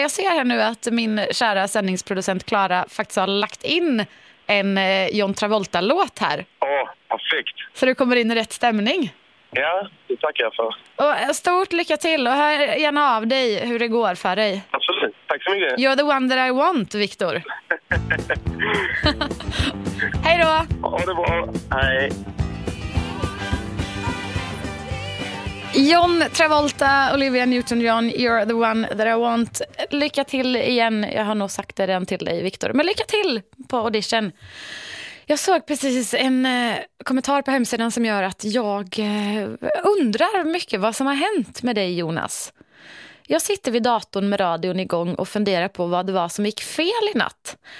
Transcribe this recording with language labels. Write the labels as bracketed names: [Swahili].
[Swedish] Jag ser här nu att min kära sändningsproducent Klara faktiskt har lagt in en John Travolta-låt här. Ja, perfekt. Så du kommer in i rätt stämning. Ja, det tackar jag för. Och stort lycka till och hör gärna av dig hur det går för dig. Absolut. [English] You're the one that I want, Victor. [Swedish] Hej då! Ha det bra. Hej. [English] John Travolta, Olivia Newton-John, you're the one that I want. [Swedish] Lycka till igen. Jag har nog sagt det redan till dig, Victor. Men lycka till på audition. Jag såg precis en kommentar på hemsidan som gör att jag undrar mycket vad som har hänt med dig, Jonas. Jag sitter vid datorn med radion igång och funderar på vad det var som gick fel i natt.